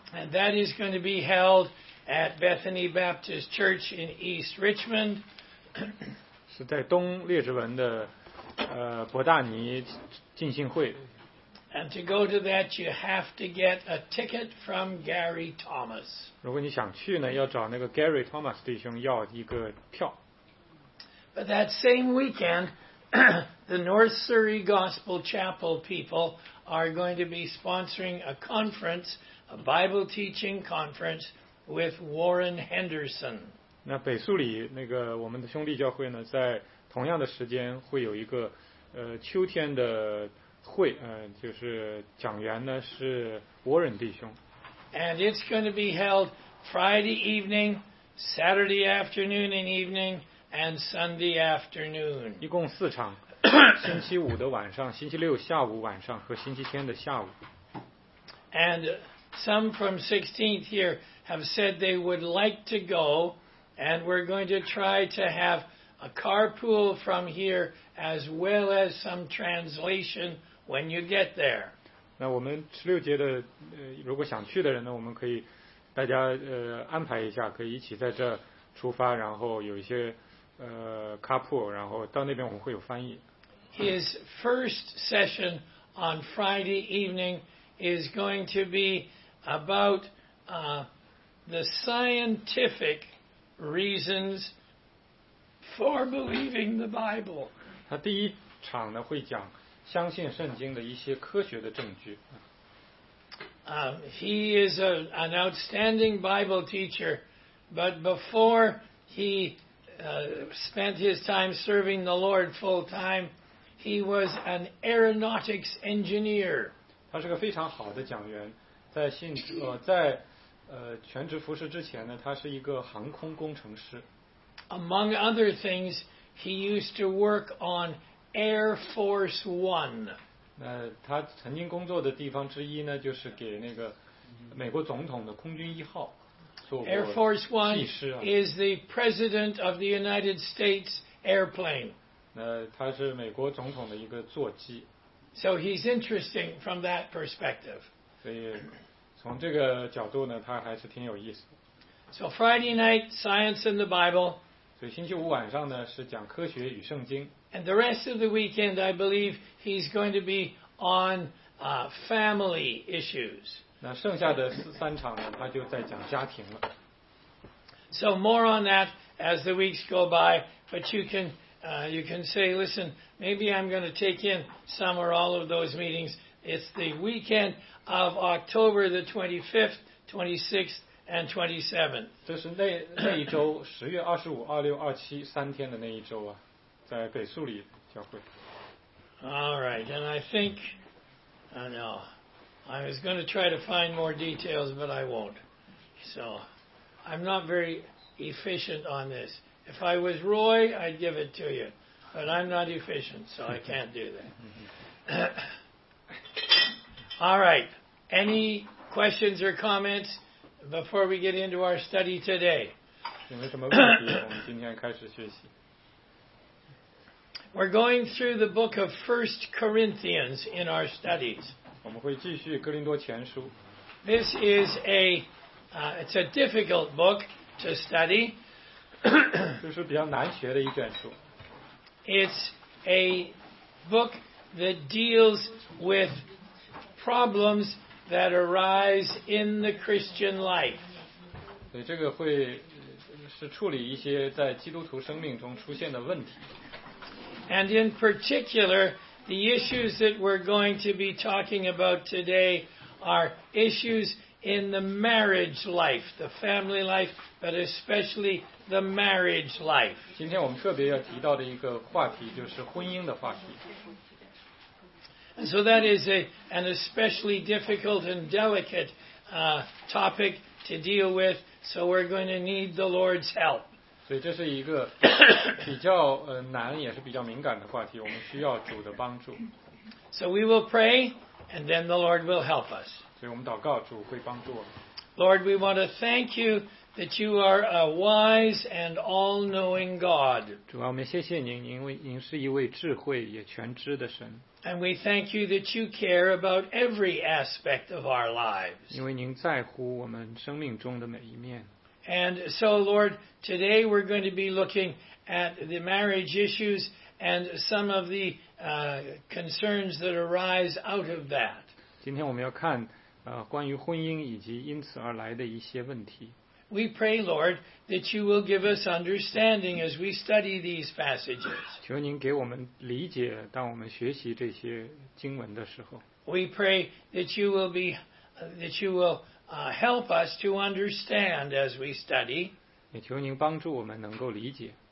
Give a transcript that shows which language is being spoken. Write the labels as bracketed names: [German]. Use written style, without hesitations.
[English] And that is going to be held at Bethany Baptist Church in East Richmond. [Chinese] 是在东列治文的伯大尼浸信会。 [English] And to go to that, you have to get a ticket from Gary Thomas. [Chinese] 如果你想去呢，要找那个 Gary Thomas 弟兄要一个票。 [English] But that same weekend, the North Surrey Gospel Chapel people are going to be sponsoring a conference, a Bible teaching conference with Warren Henderson. [Chinese] 那北苏里那个我们的兄弟教会呢，在同样的时间会有一个秋天的会，就是讲员呢是 Warren 弟兄。 [English] And it's going to be held Friday evening, Saturday afternoon and evening, and Sunday afternoon. [Chinese] 一共四场。星期五的晚上，星期六下午晚上和星期天的下午。 [English] And some from 16th here have said they would like to go, and we're going to try to have a carpool from here as well as some translation when you get there. [Chinese] 那我们十六节的，如果想去的人呢，我们可以大家安排一下，可以一起在这出发，然后有一些carpool， 然后到那边我们会有翻译。 [English] His first session on Friday evening is going to be about the scientific reasons for believing the Bible. [Chinese] 他第一场呢会讲相信圣经的一些科学的证据。 [English] He is an outstanding Bible teacher, but before he spent his time serving the Lord full time, he was an aeronautics engineer. [Chinese] 他是个非常好的讲员，在信在全职服侍之前呢，他是一个航空工程师。 [English] Among other things, he used to work on Air Force One. [Chinese] 那他曾经工作的地方之一呢，就是给那个美国总统的空军一号。 [English] Air Force One is the President of the United States airplane. [Chinese] 那他是美国总统的一个座机。 [English] So he's interesting from that perspective. [Chinese] 所以从这个角度呢，他还是挺有意思。 [English] So Friday night, science and the Bible. [Chinese] 所以星期五晚上呢，是讲科学与圣经。 [English] And the rest of the weekend, I believe he's going to be on family issues. [Chinese] 那剩下的三场呢，他就在讲家庭了。 [English] So more on that as the weeks go by, but you can say, listen, maybe I'm going to take in some or all of those meetings. It's the weekend of October the 25th, 26th, and 27th. [Chinese] 这是那一周，十月二十五、二六、二七三天的那一周啊，在北苏里教会。 [English] All right, and I think, I know. I was going to try to find more details, but I won't. So, I'm not very efficient on this. If I was Roy, I'd give it to you. But I'm not efficient, so I can't do that. All right. Any questions or comments before we get into our study today? [Chinese] 有什么问题？我们今天开始学习。 [English] We're going through the book of 1 Corinthians in our studies. [Chinese] 我们会继续哥林多前书。 [English] This is a, it's a difficult book to study. [Chinese] 这是比较难学的一卷书。 [English] It's a book that deals with problems that arise in the Christian life. [Chinese] 对，这个会是处理一些在基督徒生命中出现的问题。 [English] And in particular, the issues that we're going to be talking about today are issues in the marriage life, the family life, but especially the marriage life. [Chinese] 今天我们特别要提到的一个话题就是婚姻的话题。 [English] And so that is an especially difficult and delicate, topic to deal with, so we're going to need the Lord's help. [Chinese] 所以这是一个比较难也是比较敏感的话题，我们需要主的帮助。 [English] So we will pray, and then the Lord will help us. [Chinese] 所以我们祷告，主会帮助我们。 [English] Lord, we want to thank you that you are a wise and all-knowing God. [Chinese] 主啊，我们谢谢您，您是一位智慧也全知的神。 [English] And we thank you that you care about every aspect of our lives. [Chinese] 因为您在乎我们生命中的每一面。 [English] And so, Lord, today we're going to be looking at the marriage issues and some of the concerns that arise out of that. [Chinese] 今天我们要看关于婚姻以及因此而来的一些问题。 [English] We pray, Lord, that you will give us understanding as we study these passages. [Chinese] 求您给我们理解，当我们学习这些经文的时候。 [English] We pray that you will be, that you will. Help us to understand as we study. [Chinese] 也求您帮助我们能够理解。